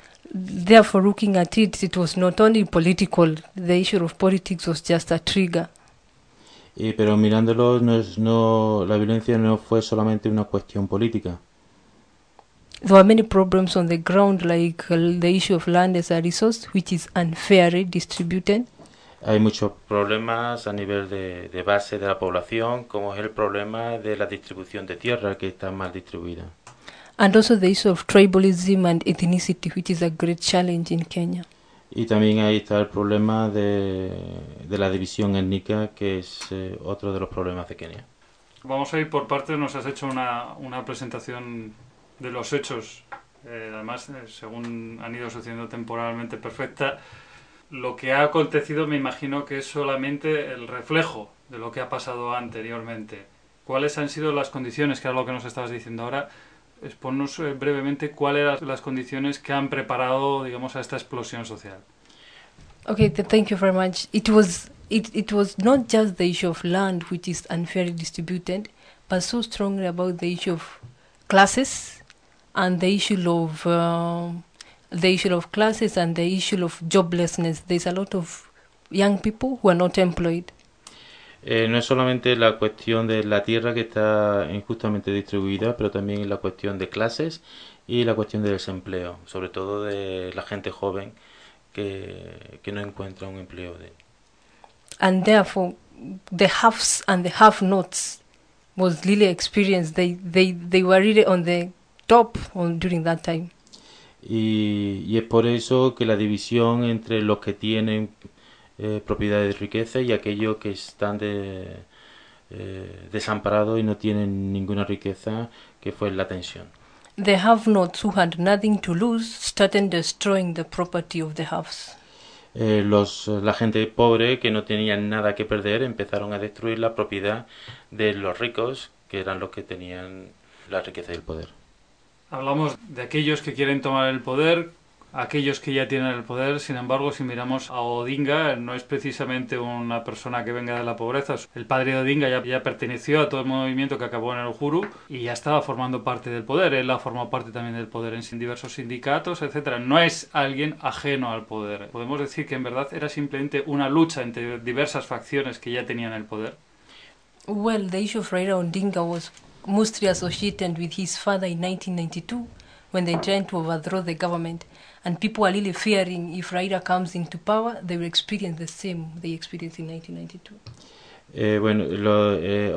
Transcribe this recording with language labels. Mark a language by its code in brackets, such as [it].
[en] Therefore, looking at it, it was not only political, the issue of politics was just a trigger. [es] Y, pero mirándolo, no, la violencia no fue solamente una cuestión política. [en] There were many problems on the ground, like the issue of land as a resource, which is unfairly distributed. [es] Hay muchos problemas a nivel de base de la población, como es el problema de la distribución de tierra, que está mal distribuida. [en] And also the issue of tribalism and ethnicity, which is a great challenge in Kenya. [es] Y también ahí está el problema de la división étnica, que es otro de los problemas de Kenia. Vamos a ir por partes. Nos has hecho una presentación de los hechos, además, según han ido sucediendo temporalmente, perfecta. Lo que ha acontecido, me imagino, que es solamente el reflejo de lo que ha pasado anteriormente. ¿Cuáles han sido las condiciones, que era lo que nos estabas diciendo ahora? Exponnos brevemente cuáles eran las condiciones que han preparado, digamos, a esta explosión social. [en] Okay, thank you very much. It was not just the issue of land which is unfairly distributed, but so strongly about the issue of classes and the issue of joblessness. There's a lot of young people who are not employed. [es] No es solamente la cuestión de la tierra que está injustamente distribuida, pero también la cuestión de clases y la cuestión de desempleo, sobre todo de la gente joven que no encuentra un empleo. [en] And therefore, the haves and the have-nots was really experienced. They were really on the top during that time. [es] Y es por eso que la división entre los que tienen propiedades de riqueza y aquellos que están desamparados y no tienen ninguna riqueza, que fue la tensión. [en] The have-nots who had nothing to lose started destroying the property of the haves. [es] La gente pobre que no tenía nada que perder empezaron a destruir la propiedad de los ricos, que eran los que tenían la riqueza y el poder. Hablamos de aquellos que quieren tomar el poder, aquellos que ya tienen el poder. Sin embargo, si miramos a Odinga, no es precisamente una persona que venga de la pobreza. El padre de Odinga ya perteneció a todo el movimiento que acabó en el Uhuru y ya estaba formando parte del poder. Él ha formado parte también del poder en diversos sindicatos, etc. No es alguien ajeno al poder. Podemos decir que en verdad era simplemente una lucha entre diversas facciones que ya tenían el poder. [en] Well, the issue of Raila Odinga was mostly associated with his father in 1992. When they tried to overthrow the government, and people are really fearing if Raila comes into power, they will experience the same they experienced in 1992.